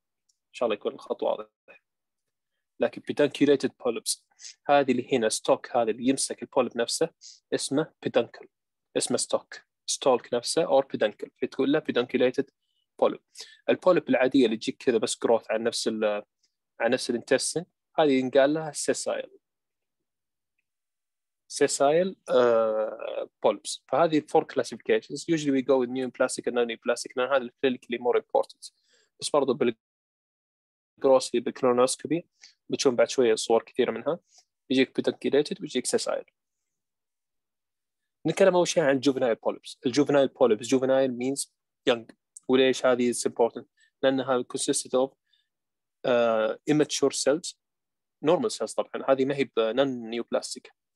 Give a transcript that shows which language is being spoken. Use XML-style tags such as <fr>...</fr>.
<ar>ان شاء الله يكون الخط واضح. لكن بيدنكيليتد بوليبس هذه اللي هنا ستوك، هذا اللي يمسك البوليب نفسه اسمه بيدنكل، اسمه ستوك، ستولك نفسه او بيدنكل، فتقول له بيدنكيليتد بوليب. البوليب العاديه اللي تجيك كذا بس جروث على نفس الانتستين، هذه ينقال لها سيسايل.</ar> <en>Sessile polyps. For these four classifications, usually we go with neoplastic and non-neoplastic. Now, this is clinically more important. But also,</en> <ar>جروسي بالكرونوسكوبي بتشوفون بعد شوية صور كثيرة منها، بيجيك بيدنكيليتد بيجيك سيسايل. نتكلم أول شيء عن الجوفينايل بوليبس. الجوفينايل بوليبس جوفينايل</ar> <en>means young.</en> <ar>وليش هذه</ar> <en>is important؟</en> <ar>لأنها</ar> <en>consisted of immature cells, normal cells</en> <ar>طبعا، هذه ما هي</ar> <en>non neoplastic.</en>